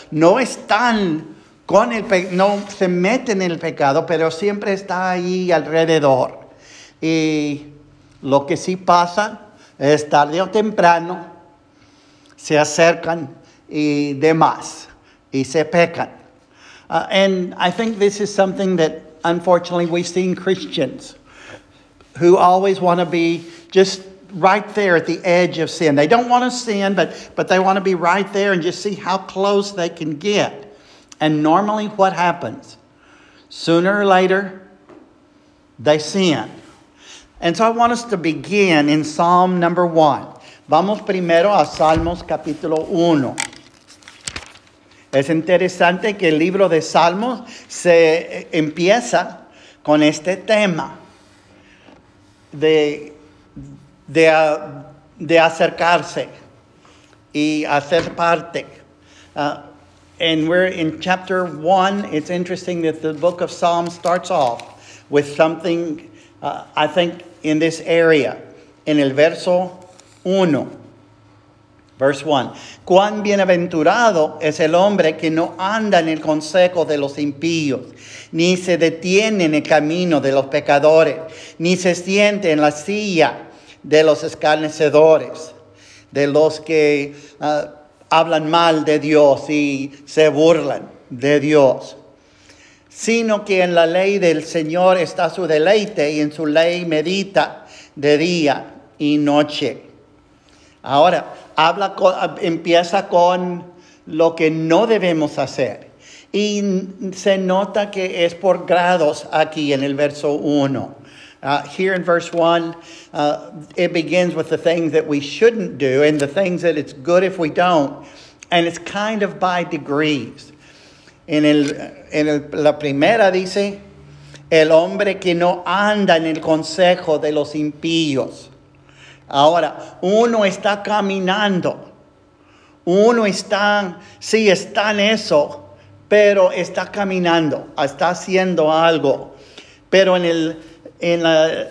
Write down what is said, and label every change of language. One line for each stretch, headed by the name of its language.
Spanish: No están con el pecado, no se meten en el pecado, pero siempre está ahí alrededor. Y lo que sí pasa es tarde o temprano se acercan y demás, y se pecan.
English: And I think this is something that, unfortunately, we've seen Christians who always want to be just right there at the edge of sin. They don't want to sin, but they want to be right there and just see how close they can get. And normally what happens? Sooner or later, they sin. And so I want us to begin in Psalm number 1.
Spanish: Vamos primero a Salmos capítulo 1. Es interesante que el libro de Salmos se empieza con este tema de acercarse y hacer parte.
English: And we're in chapter 1. It's interesting that the book of Psalms starts off with something, I think, in this area, in
Spanish: el verso 1.
English: Verse 1,
Spanish: cuán bienaventurado es el hombre que no anda en el consejo de los impíos, ni se detiene en el camino de los pecadores, ni se siente en la silla de los escarnecedores, de los que hablan mal de Dios y se burlan de Dios, sino que en la ley del Señor está su deleite y en su ley medita de día y noche. Ahora, empieza con lo que no debemos hacer. Y se nota que es por grados aquí en el verso 1.
English: Here in verse 1, it begins with the things that we shouldn't do and the things that it's good if we don't. And it's kind of by degrees.
Spanish: La primera dice, el hombre que no anda en el consejo de los impíos. Ahora, uno está caminando, uno está, sí, está en eso, pero está caminando, está haciendo algo. Pero en la